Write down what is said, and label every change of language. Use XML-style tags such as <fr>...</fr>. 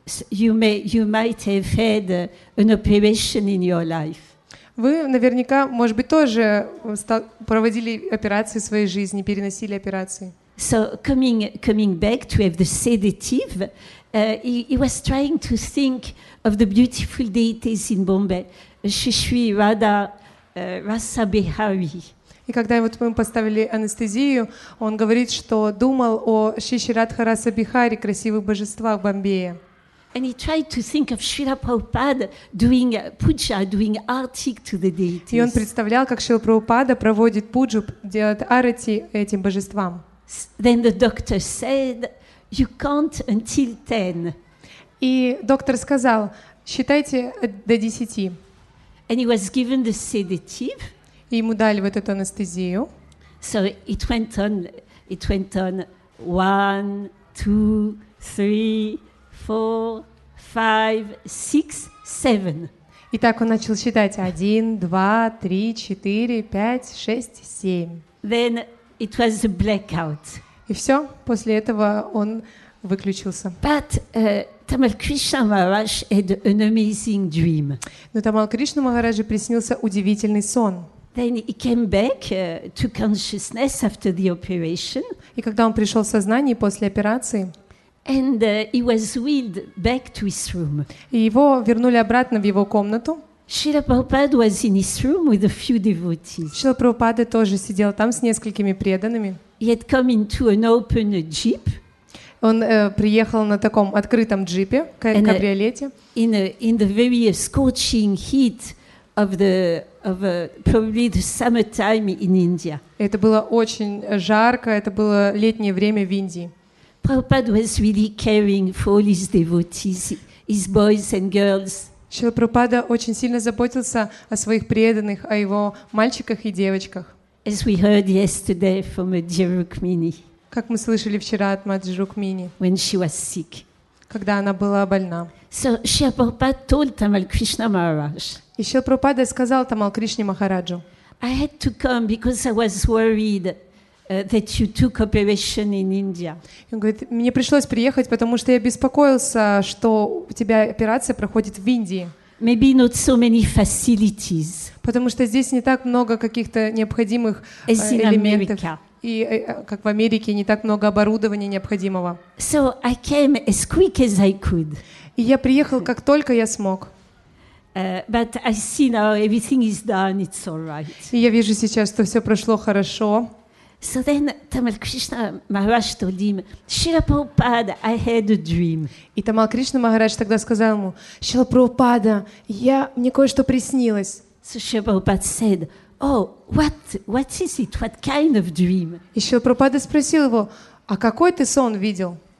<en>You might have had an operation in your life.</en> <ru>Вы наверняка, может быть, тоже проводили операции в своей жизни, переносили операции.</ru> <en>So coming back to have the sedative, he was trying to think of the beautiful deities in Bombay, Shishri Radha, Rasa Bihari.</en> <ru>И когда вот мы поставили анестезию, он говорит, что думал о Шишри Радха Раса Бихари, красивых божествах Бомбея.</ru> <en>And he tried to think of Srila Prabhupada doing puja, doing arati to the deities.</en> <ru>И он представлял, как Шрила Прабхупада проводит пуджу, делает арати этим божествам.</ru> <en>Then the doctor said, "You count until 10."</en> <ru>И доктор сказал: «Считайте до 10».</ru> <en>And he was given the sedative.</en> <ru>И ему дали вот эту анестезию.</ru> <en>So it went on 1, 2, 3, 4, 5, 6, 7.</en> <ru>И так он начал считать 1, 2, 3, 4, 5, 6, 7.</ru> <en>Then it was a blackout.</en> <ru>И все, после этого он выключился.</ru> <en>But Tamal Krishna Maharaj had an amazing dream.</en> <ru>Но Тамал Кришна Махараджи приснился удивительный сон.</ru> <en>Then he came back to consciousness after the operation.</en> <ru>И когда он пришел в сознание после операции.</ru> <en>And he was wheeled back to his room.</en> <ru>И его вернули обратно в его комнату.</ru> <en>Srila Prabhupada was in his room with a few devotees.</en> <ru>Srila Prabhupada тоже сидел там с несколькими преданными.</ru> <en>He had come into an open jeep.</en> <ru>Он приехал на таком открытом джипе, кабриолете.</ru> <en>In the very scorching heat probably the summertime in India.</en> <ru>Это было очень жарко, это было летнее время в Индии.</ru> <en>Prabhupada was really caring for all his devotees, his boys and girls.</en> <ru>Шрила Прабхупада очень сильно заботился о своих преданных, о его мальчиках и девочках.</ru> <en>As we heard yesterday from Madhya Rukmini.</en> <ru>Как мы слышали вчера от Мадхи Рукмини.</ru> <en>When she was sick.</en> <ru>Когда она была больна.</ru> <en>So Шрила Прабхупада told Tamal Krishna Maharaj.</en> <ru>И Шрила Прабхупада сказал Тамал Кришне Махараджу.</ru> <en>I had to come because I was worried. That you took operation in India.</en> <ru>Он говорит, мне пришлось приехать, потому что я беспокоился, что у тебя операция проходит в Индии.</ru> <en>Maybe not so many facilities.</en> <ru>Потому что здесь не так много каких-то необходимых элементов.</ru> <en>America.</en> <ru>И как в Америке не так много оборудования необходимого.</ru> <en>So I came as quick as I could.</en> <ru>И я приехал как только я смог.</ru> <en>But I see now everything is done. It's all right.</en> <ru>И я вижу сейчас, что все прошло хорошо.</ru> <en>So then Tamal Krishna Maharaj told him, Srila Prabhupada, I had a dream.</en> <ru>И Тамал Кришна Махарадж тогда сказал ему, Шрила Прабхупада, мне кое-что приснилось.</ru> <en>So Srila Prabhupada said, oh, what is it? What kind of dream?</en> <ru>И Шрила Прабхупада спросил его, а какой ты сон видел?</ru>